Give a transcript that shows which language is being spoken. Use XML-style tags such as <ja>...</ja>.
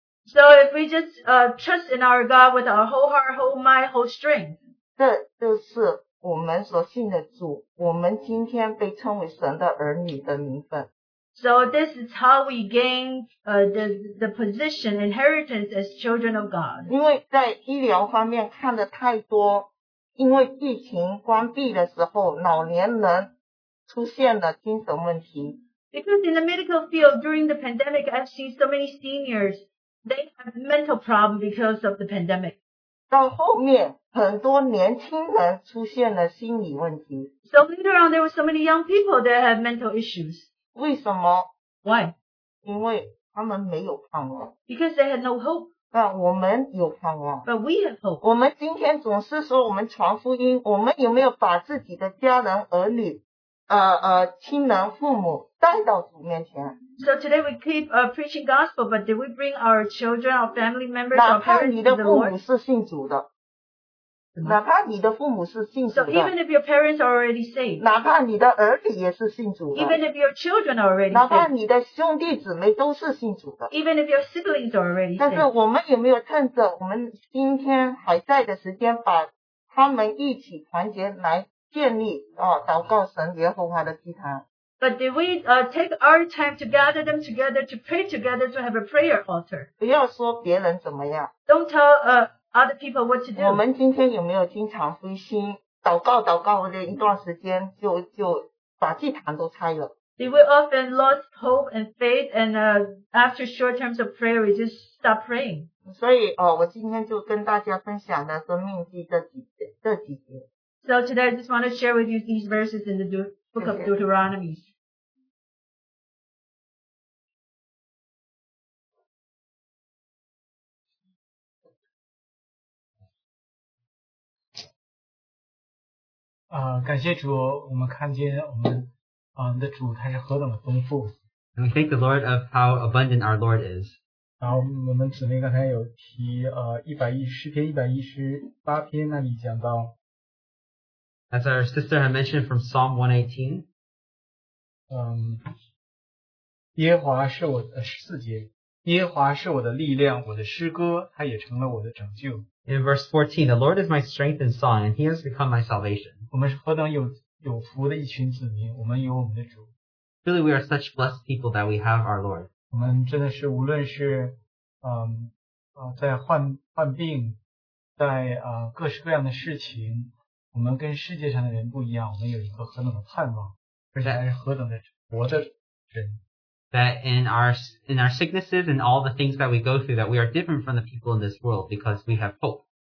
<en>So if we just trust in our God with our whole heart, whole mind, whole strength.</en> <zh>这就是我们所信的主，我们今天被称为神的儿女的名分。</zh> <en>So this is how we gain the position, inheritance as children of God.</en> <zh>因为在医疗方面看的太多，因为疫情关闭的时候，老年人出现了精神问题。</zh> <en>Because in the medical field during the pandemic, I've seen so many seniors, they have mental problems because of the pandemic.</en> <zh>到后面很多年轻人出现了心理问题。</zh> <en>So later on, there were so many young people that have mental issues.</en> <zh>为什么？</zh> <en>Why?</en> <zh>因为他们没有盼望。</zh> <en>Because they had no hope.</en> <zh>但我们有盼望。</zh> <en>But we have hope.</en> <zh>我们今天总是说我们传福音，我们有没有把自己的家人儿女亲人父母带到主面前。</zh> <en>So today we keep preaching gospel, but did we bring our children, our family members, our parents to the Lord?</en> <zh>哪怕你的父母是信主的，哪怕你的父母是信主的。</zh> <en>So even if your parents are already saved.</en> <zh>哪怕你的儿女也是信主的。</zh> <en>Even if your children are already saved.</en> <zh>哪怕你的兄弟姊妹都是信主的。</zh> <en>Even if your siblings are already saved.</en> <zh>但是我们有没有趁着我们今天还在的时间，把他们一起团结来建立祷告神耶和华的祭坛。</zh> <en>But did we take our time to gather them together, to pray together, to have a prayer altar?</en> <zh>不要说别人怎么样。</zh> <en>Don't tell other people what to do.</en> <zh>我们今天有没有经常灰心祷告祷告的一段时间就把祭坛都拆了。</zh> <en>See, we often lost hope and faith, and after short terms of prayer, we just stop praying.</en> <zh>所以, 我今天就跟大家分享了生命记这几节。</zh> <en>So today I just want to share with you these verses in the book of Deuteronomy. And we thank the Lord of how abundant our Lord is.</en> <zh>然后我们姊妹刚才有提, 110篇,118篇那里讲到,</zh> <en>as our sister had mentioned from Psalm 118,</en> <zh>耶和华是我的,14节, 耶和华是我的力量,我的诗歌, 他也成了我的拯救。</zh> <en>In verse 14, the Lord is my strength and song, and he has become my salvation.</en> <zh>我们是何等有福的一群子民,我们有我们的主。</zh> <en>Truly, we are such blessed people that we have our Lord.</en> <zh>我们真的是无论是, 在患病, 在, 各式各样的事情, 我们跟世界上的人不一样, 我们有一个何等的盼望, 而且还是何等的活的人。</zh> <en>That in our sicknesses and all the things that we go through, that we are different from the people in this world because we have hope.</en>